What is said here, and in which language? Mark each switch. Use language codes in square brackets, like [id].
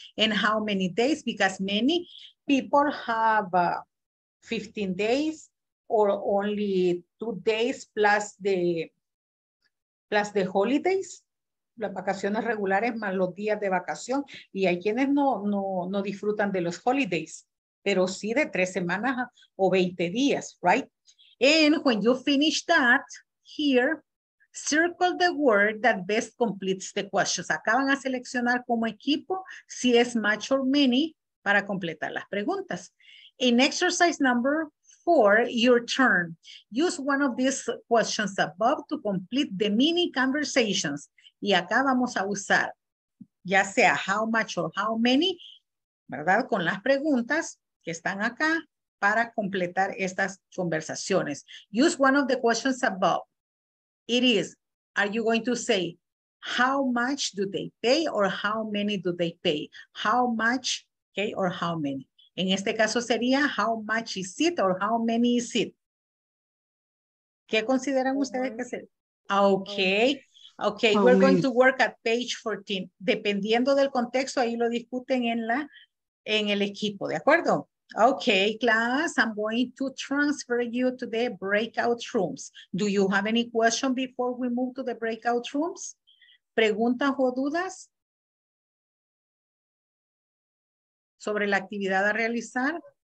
[en] And how many days, because many people have 15 days or only 2 days plus the holidays, [es] las vacaciones regulares más los días de vacación. Y hay quienes no disfrutan de los holidays, pero sí de 3 semanas o 20 días, right? [en] And when you finish that here, circle the word that best completes the questions. [es] Acá van a seleccionar como equipo si es much or many para completar las preguntas. [en] In exercise number 4, your turn. Use one of these questions above to complete the mini conversations. [es] Y acá vamos a usar ya sea how much or how many, ¿verdad? Con las preguntas que están acá para completar estas conversaciones. [en] Use one of the questions above. It is, are you going to say how much do they pay or how many do they pay? How much, okay, or how many? [es] En este caso sería, [en] how much is it or how many is it? [es] ¿Qué consideran ustedes que hacer? [en] Okay, okay, how we're many? Going to work at page 14. [es] Dependiendo del contexto, ahí lo discuten en el equipo, ¿de acuerdo? [en] Okay, class, I'm going to transfer you to the breakout rooms. Do you have any question before we move to the breakout rooms? [es] ¿Preguntas o dudas sobre la actividad a realizar?